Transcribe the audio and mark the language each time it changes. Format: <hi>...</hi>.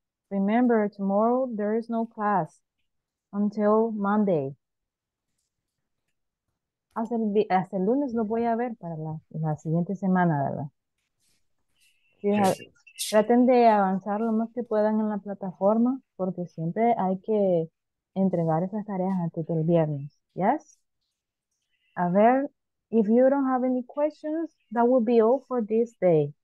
<en>Remember, tomorrow there is no class until Monday.</en> <es>Hasta el lunes lo voy a ver para la siguiente semana, ¿verdad? Traten de avanzar lo más que puedan en la plataforma, porque siempre hay que entregar esas tareas antes del viernes.</es> <en>Yes?</en> <es>A ver,</es> <en>if you don't have any questions, that will be all for this day.</en>